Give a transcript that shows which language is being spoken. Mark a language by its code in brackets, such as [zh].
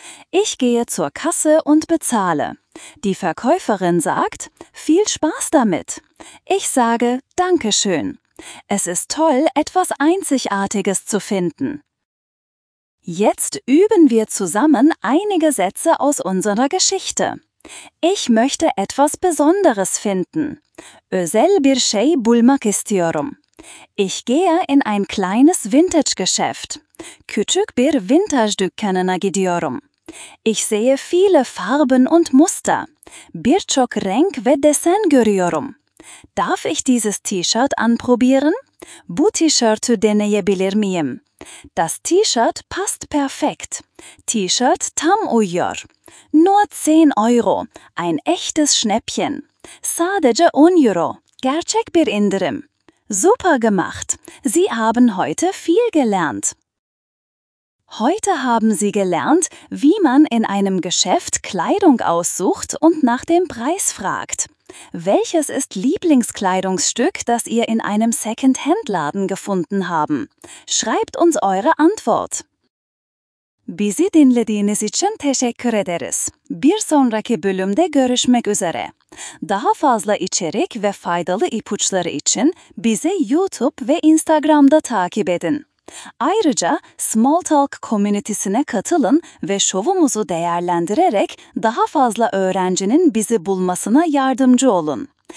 [de] Ich gehe zur Kasse und bezahle. Die Verkäuferin sagt, viel Spaß damit. Ich sage, danke schön. Es ist toll, etwas Einzigartiges zu finden. Jetzt üben wir zusammen einige Sätze aus unserer Geschichte. Ich möchte etwas Besonderes finden. [tr] Özel bir şey bulmak istiyorum. [de] Ich gehe in ein kleines Vintage-Geschäft. [tr] Küçük bir vintage dükkanına gidiyorum. [de] Ich sehe viele Farben und Muster. [tr] Birçok renk ve desen görüyorum. [de] Darf ich dieses T-Shirt anprobieren? [tr] Bu T-Shirt'ü deneyebilir miyim? [de] Das T-Shirt passt perfekt. [tr] T-Shirt tam uyuyor. [de] Nur 10 Euro. Ein echtes Schnäppchen. [tr] Sadece 10 Euro. Gerçek bir indirim. [de] Super gemacht. Sie haben heute viel gelernt. Heute haben Sie gelernt, wie man in einem Geschäft Kleidung aussucht und nach dem Preis fragt. Welches ist Lieblingskleidungsstück, das Ihr in einem Second-Hand-Laden gefunden haben? Schreibt uns eure Antwort. [tr] Bizi dinlediğiniz için teşekkür ederiz. Bir sonraki bölümde görüşmek üzere. Daha fazla içerik ve faydalı ipuçları için bizi YouTube ve Instagram'da takip edin. Ayrıca Small Talk komünitesine katılın ve şovumuzu değerlendirerek daha fazla öğrencinin bizi bulmasına yardımcı olun.